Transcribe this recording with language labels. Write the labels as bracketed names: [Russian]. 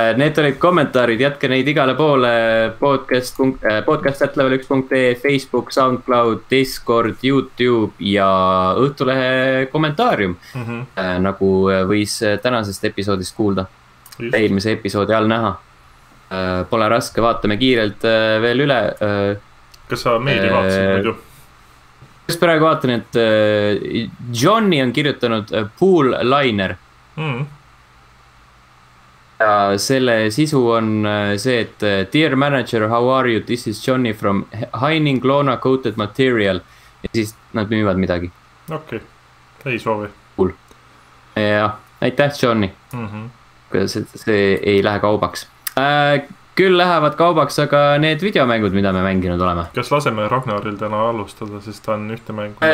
[Estonian] Need olid kommentaarid, jätke neid igale poole podcast.level1.ee, Facebook, SoundCloud, Discord, YouTube ja õhtulehe kommentaarium, nagu võis tänasest episoodist kuulda, eelmise episoodi all näha. Pole raske, vaatame kiirelt veel üle. Kas sa meili vaatasid muidu? Kas praegu vaatan, et Johnny on kirjutanud Pool Liner. Ja selle sisu on see, et [English] Dear Manager, how are you? This is Johnny from Heining Lona Coated Material. [Estonian] Ja siis nad müüvad midagi. Okei, okay. Ei soovi. [English] Cool. [Estonian] Ja aitäh, Johnny. See ei lähe kaubaks. küll lähevad kaubaks, aga need videomängud, mida me mänginud oleme. Kas laseme Ragnaril täna alustada, sest ta on ühte mängu?